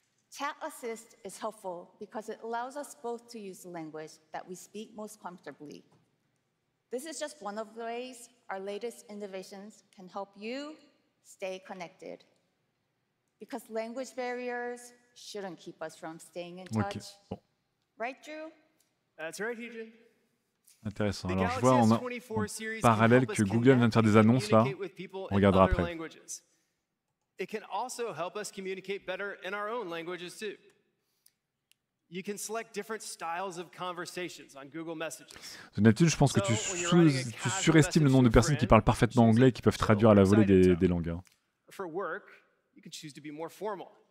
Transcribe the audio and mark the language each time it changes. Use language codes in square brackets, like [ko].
[en] Chat Assist is helpful because it allows us both to use the language that we speak most comfortably. This is just one of the ways our latest innovations can help you stay connected. Because language barriers shouldn't keep us from staying in touch. [fr] Okay. Bon. [en] Right, Drew? That's right, Eugene. [fr] Intéressant. Alors, je vois en parallèle que Google vient de faire des annonces là. On regardera après. [en] It can also help us communicate better in our own languages too. You can select different styles of conversations on Google Messages. [fr] De nature, je pense que tu surestimes le nombre de personnes qui parlent parfaitement anglais et qui peuvent traduire à la volée des langues. [en] For work, you can choose to be more formal.